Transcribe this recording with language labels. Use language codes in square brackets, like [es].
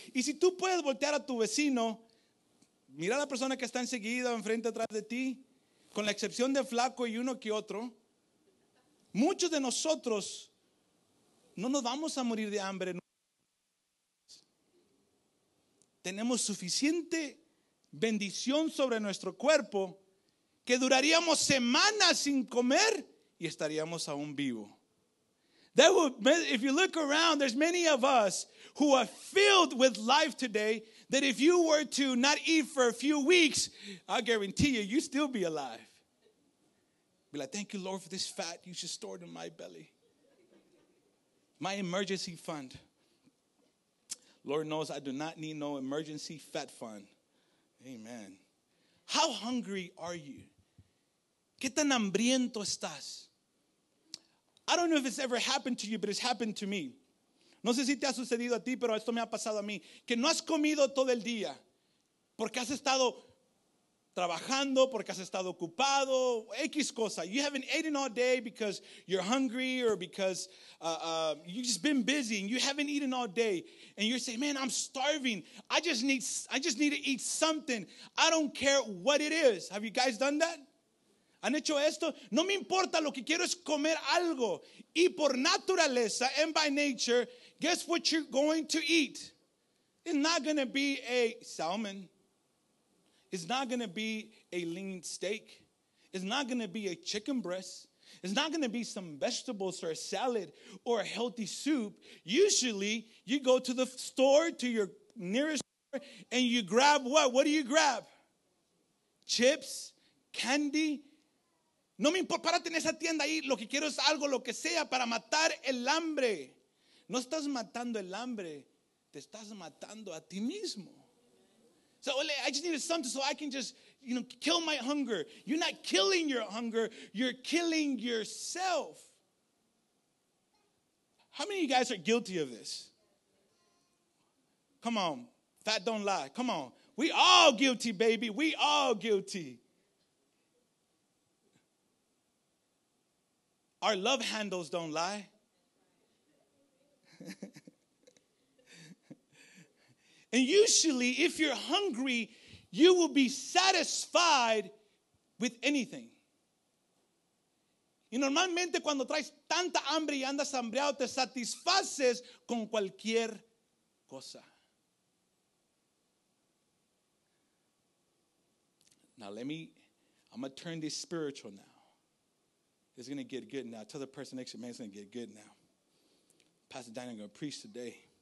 [es] Y si tú puedes voltear a tu vecino, mira a la persona que está enseguida, enfrente, atrás de ti, con la excepción de flaco y uno que otro, muchos de nosotros no nos vamos a morir de hambre. Tenemos suficiente bendición sobre nuestro cuerpo que duraríamos semanas sin comer y estaríamos aún vivo. [en] If you look around, there's many of us who are filled with life today that if you were to not eat for a few weeks, I guarantee you, you'd still be alive. Be like, thank you, Lord, for this fat you just stored in my belly. My emergency fund. Lord knows I do not need no emergency fat fund. Amen. How hungry are you? [es] ¿Qué tan hambriento estás? [en] I don't know if it's ever happened to you, but it's happened to me. [es] No sé si te ha sucedido a ti, pero esto me ha pasado a mí. Que no has comido todo el día porque has estado trabajando porque has estado ocupado, X cosa. [en] You haven't eaten all day because you're hungry or because you've just been busy and you haven't eaten all day. And you're saying, man, I'm starving. I just need to eat something. I don't care what it is. Have you guys done that? [es] ¿Han hecho esto? No me importa, lo que quiero es comer algo. Y por naturaleza [en] and by nature, guess what you're going to eat? It's not going to be a salmon. It's not going to be a lean steak. It's not going to be a chicken breast. It's not going to be some vegetables or a salad or a healthy soup. Usually, you go to the store, to your nearest store, and you grab what? What do you grab? Chips, candy. [es] No me importa, párate en esa tienda ahí. Lo que quiero es algo, lo que sea, para matar el hambre. No estás matando el hambre. Te estás matando a ti mismo. [en] So I just needed something so I can just, you know, kill my hunger. You're not killing your hunger. You're killing yourself. How many of you guys are guilty of this? Come on. Fat don't lie. Come on. We all guilty, baby. We all guilty. Our love handles don't lie. And usually, if you're hungry, you will be satisfied with anything. [es] Y normalmente, cuando traes tanta hambre y andas hambreado, te satisfaces con cualquier cosa. [en] Now, I'm going to turn this spiritual now. It's going to get good now. Tell the person next to you, man, it's going to get good now. Pastor Daniel is going to preach today.